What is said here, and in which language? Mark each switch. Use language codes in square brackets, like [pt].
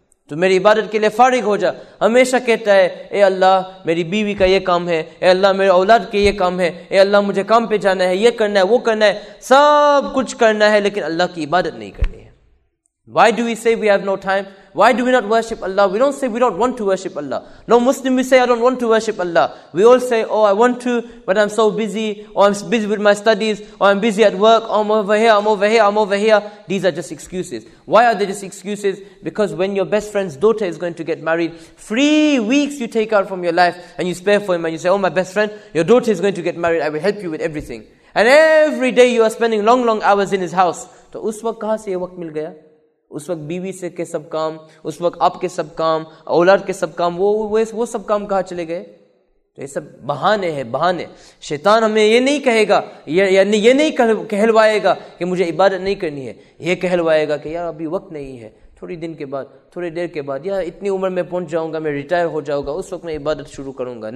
[ur] تو میری عبادت کے لیے فارغ ہو جا. ہمیشہ کہتا ہے اے اللہ میری بیوی کا یہ کام ہے, اے اللہ میرے اولاد کے یہ کام ہے, اے اللہ مجھے کام پہ جانا ہے, یہ کرنا ہے, وہ کرنا ہے, سب کچھ کرنا ہے لیکن اللہ کی عبادت نہیں کرنی ہے. [en] Why do we say we have no time? Why do we not worship Allah? We don't say we don't want to worship Allah. No Muslim, we say I don't want to worship Allah. We all say, oh I want to, but I'm so busy, or I'm busy with my studies, or I'm busy at work, or I'm over here, I'm over here, I'm over here. These are just excuses. Why are they just excuses? Because when your best friend's daughter is going to get married, 3 weeks you take out from your life and you spare for him and you say, oh my best friend, your daughter is going to get married, I will help you with everything. And every day you are spending long, long hours in his house. [ur] To us waqt kahan se ye waqt mil gaya? اس وقت بیوی سے کے سب کام, اس وقت آپ کے سب کام, اولاد کے سب کام, وہ سب کام کہاں چلے گئے؟ تو یہ سب بہانے ہیں, بہانے. شیطان ہمیں یہ نہیں کہے گا, یعنی یہ نہیں کہلوائے گا کہ مجھے عبادت نہیں کرنی ہے. یہ کہلوائے گا کہ یار ابھی وقت نہیں ہے, تھوڑی دن کے بعد, تھوڑی دیر کے بعد, یا اتنی عمر میں پہنچ جاؤں گا, میں ریٹائر ہو جاؤں گا, اس وقت میں عبادت شروع کروں گا.